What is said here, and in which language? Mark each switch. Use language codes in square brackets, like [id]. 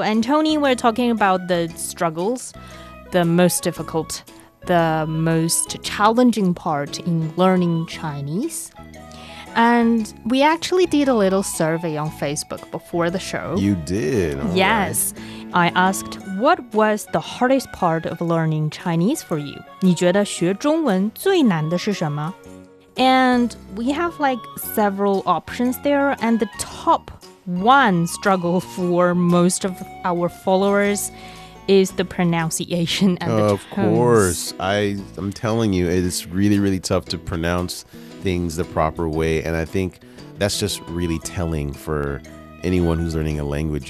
[en] And Tony, we're talking about the struggles, the most challenging part in learning Chinese. And we actually did a little survey on Facebook before the show. You did? Yes. Right. I asked, what was the hardest part of learning Chinese for you? [zh] 你觉得学中文最难的是什么? [en] And we have like several options there. And the top one struggle for most of our followers is the pronunciation and the tones. Of course. I'm telling you, it is really, really tough to pronounce things the proper way, and I think that's just really telling for anyone who's learning a language.